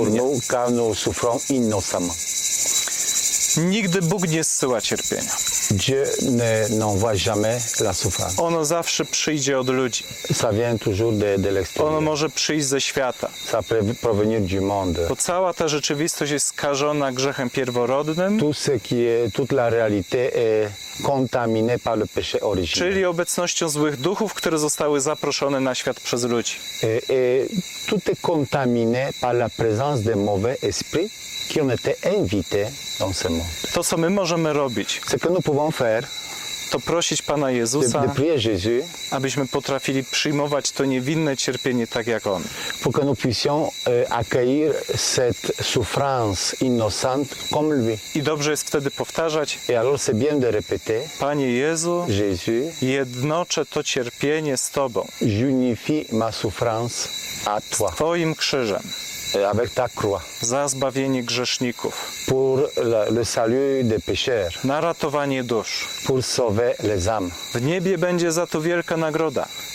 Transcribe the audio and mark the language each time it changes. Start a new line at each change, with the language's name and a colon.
French: Même pour nous, quand nous souffrons innocemment.
Polish: Nigdy Bóg nie zsyła cierpienia.
French: Dieu n'envoie jamais la souffrance.
Polish: Ono zawsze przyjdzie od ludzi.
French: Ça vient toujours de l'extérieur.
Polish: Ono może przyjść ze świata.
French: Ça peut provenir du monde.
Polish: Bo cała ta rzeczywistość jest skażona grzechem pierworodnym.
French: Tout ce qui est, toute la réalité est contaminée par le péché originel.
Polish: Czyli obecnością złych duchów, które zostały zaproszone na świat przez ludzi.
French: Tout est contaminé par la présence de mauvais esprits. Qui ont été invités dans ce monde.
Polish: To, co my możemy robić,
French: ce que nous pouvons faire,
Polish: to prosić Pana Jezusa,
French: de prier Jésus,
Polish: abyśmy potrafili przyjmować to niewinne cierpienie tak jak On.
French: Pour que nous puissions accueillir cette souffrance innocente comme lui.
Polish: I dobrze jest wtedy powtarzać,
French: et alors c'est bien de répéter,
Polish: Panie Jezu,
French: Jésus,
Polish: jednoczę to cierpienie z Tobą.
French: J'unifie ma souffrance à toi.
Polish: Z Twoim krzyżem.
French: Avec ta croix.
Polish: Za zbawienie grzeszników.
French: Pour le salut des pécheurs.
Polish: Na ratowanie dusz.
French: Pour sauver les âmes.
Polish: W niebie będzie za to wielka nagroda.